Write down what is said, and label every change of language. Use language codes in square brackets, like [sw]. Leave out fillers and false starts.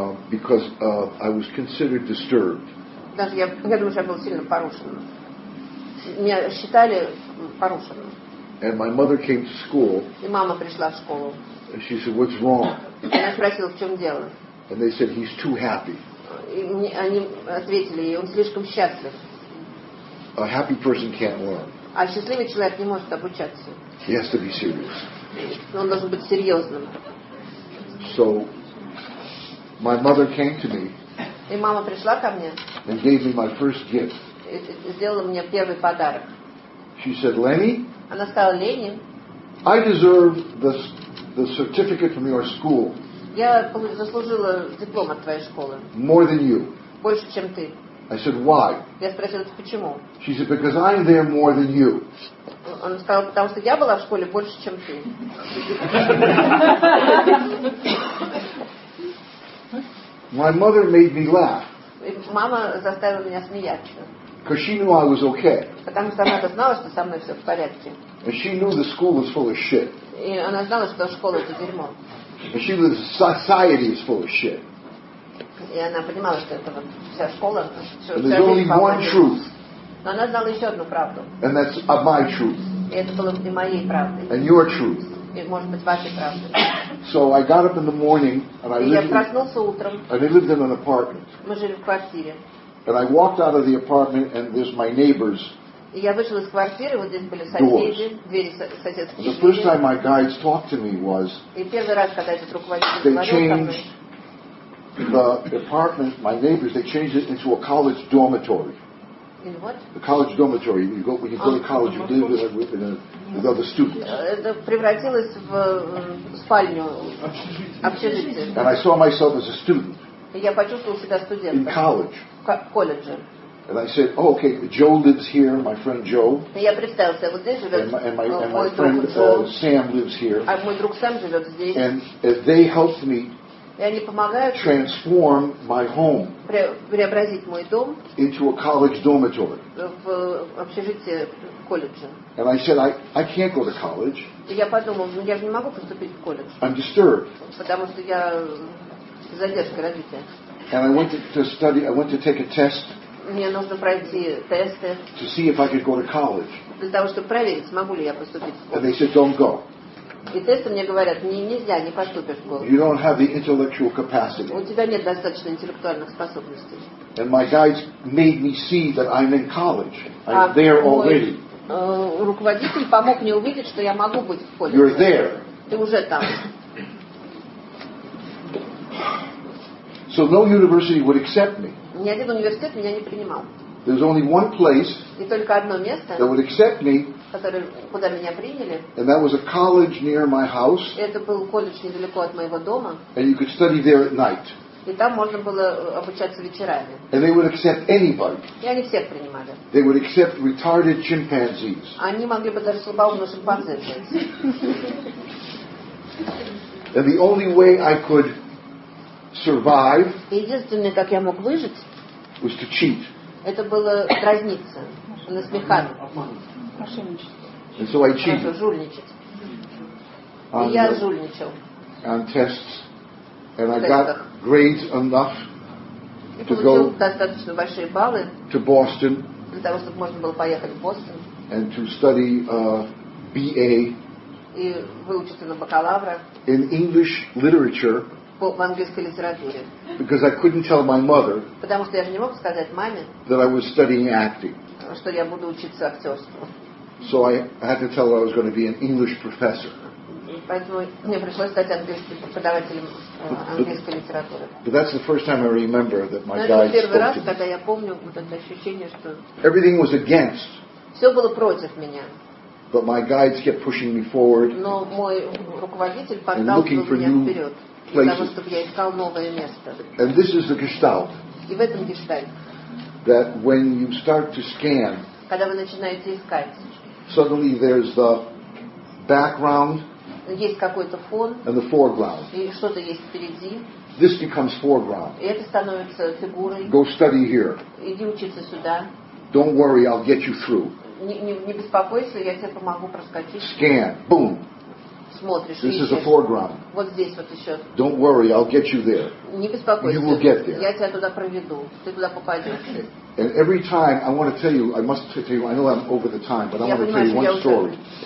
[en] Because I was considered disturbed. [ru] Даже я думаю, что я был сильно порушенным. Меня считали порушенным. [en] And my mother came to school. [ru] И мама пришла в школу. [en] And she said, "What's wrong?" [ru] Она спросила, в чем дело. [en] And they said, "He's too happy." [ru] Они ответили ей, он слишком счастлив. [en] A happy person can't learn. [ru] А счастливый человек не может обучаться. [en] He has to be serious. [ru] Но он должен быть серьезным. [en] So, my mother came to me. [ru] И мама пришла ко мне. [en] And gave me my first gift. [ru] И сделала мне первый подарок. [en] She said, "Lenny." [ru] Она сказала, Ленни. [en] I deserve the certificate from your school. [ru] Я заслужила диплом от твоей школы. [en] More than you. [ru] Больше, чем ты. [en] I said, "Why?" [ru] Я спросила, почему? [en] She said, "Because I'm there more than you." [ru] Он сказал, потому что я была в школе больше, чем ты. [en] My mother made me laugh. [ru] Мама заставила меня смеяться. [en] Because she knew I was okay. [ru] Потому что она знала, что со мной все в порядке. [en] And she knew the school was full of shit. [ru] И она знала, что школа это дерьмо. [en] And she knew the society is full of shit. [ru] И она понимала, что это вот вся школа. [en] And there's only one truth. [ru] Но она знала еще одну правду. [en] And that's my truth. [ru] И это было не моей правдой. [en] And your truth. [ru] И может быть вашей правдой. [en] So I got up in the morning and I lived. [ru] И я проснулся утром. [en] And I lived in an apartment. [ru] Мы жили в квартире. [en] And I walked out of the apartment and there's my neighbors. [ru] И я вышел из квартиры, вот здесь были соседи, doors. Двери соседские. [en] The first time my guides talked to me was. [ru] И первый раз, когда этот руководитель говорил. [en] They changed the apartment, my neighbors. They changed it into a college dormitory. In what? The college dormitory. You go when you go to college, you live with other students. [ru] Это превратилось в спальню общежитие. [en] And I saw myself as a student. [ru] Я почувствовал себя студентом. [en] In college. [ru] Колледже. [en] And I said, oh, okay, Joe lives here, my friend Joe. [ru] Я представился, вот здесь живет. [en] And my friend Sam lives here. [ru] А мой друг Сэм живет здесь. [en] And they helped me. [ru] И они помогают. [en] Transform my home. [ru] Преобразить мой дом. [en] Into a college dormitory. [ru] В общежитие колледжа. [en] And I said, I can't go to college. [ru] И я подумал, я же не могу поступить в колледж. [en] I'm disturbed. [ru] Потому что я задержка развития. [en] And I went to study. I went to take a test. [ru] Мне нужно пройти тесты. [en] To see if I could go to college. [ru] Для того, чтобы проверить, смогу ли я поступить в колледж. [en] And they said, don't go. [ru] И тесты мне говорят, нельзя, не поступишь в колледж. [en] You don't have the intellectual capacity. [ru] У тебя нет достаточно интеллектуальных способностей. [en] And my guides made me see that I'm in college. I'm there already. [ru] Руководитель помог мне увидеть, что я могу быть в колледже. [en] You're there. [ru] Ты уже там. [en] So no university would accept me. [ru] Ни один университет меня не принимал. [en] There's only one place. [ru] И только одно место. [en] That would accept me. [ru] Которое, куда меня приняли. [en] And that was a college near my house. [ru] Это был колледж недалеко от моего дома. [en] And you could study there at night. [ru] И там можно было обучаться вечерами. [en] And they would accept anybody. [ru] И они всех принимали. [en] They would accept retarded chimpanzees. [ru] Они могли бы даже слабоумных шимпанзе взять. [en] And the only way I could survive. [ru] Единственное, как я мог выжить, [en] was to cheat. [ru] Это было дразниться, насмехаться. [en] And so I cheated. [ru] Хорошо, жульничать. И я жульничал. [en] On tests, and I got grades enough to go. [ru] Достаточно большие баллы. [en] To Boston. [ru] Для того, чтобы можно было поехать в Бостон. [en] And to study BA. [ru] И выучиться на бакалавра. [en] In English literature. [ru] В английской литературе. [en] Because I couldn't tell my mother. [ru] Потому что я же не мог сказать маме. [en] That I was studying acting. [ru] Что я буду учиться актерству. [en] So I had to tell her I was going to be an English professor. [ru] Поэтому мне пришлось стать английским преподавателем английской литературы. [en] But that's the first time I remember that my guide spoke to me. [ru] Это первый раз, когда я помню вот это ощущение, что. [en] Everything was against. [ru] Все было против меня. [en] But my guides kept pushing me forward. [ru] Но мой руководитель подталкивал меня вперед. [en] And looking for new. And this is the gestalt. [ru] И в этом гештальт. [en] That when you start to scan. [ru] Когда вы начинаете искать. [en] Suddenly there's the background. [ru] Есть какой-то фон. [en] And the foreground. [ru] И что-то есть впереди. [en] This becomes foreground. [ru] И это становится фигурой. [en] Go study here. [ru] Иди учиться сюда. [en] Don't worry, I'll get you through. [ru] Не беспокойся, я тебе помогу проскочить. [en] Scan, boom. [ru] Смотришь, [en] this is the foreground. [ru] Вот здесь вот еще. [en] Don't worry, I'll get you there. [ru] Не беспокойся. [en] You will get there. [ru] Я тебя туда проведу. Ты туда попадешь. [en] And every time I want to tell you, I must tell you, I know I'm over the time, but I want to tell you one story.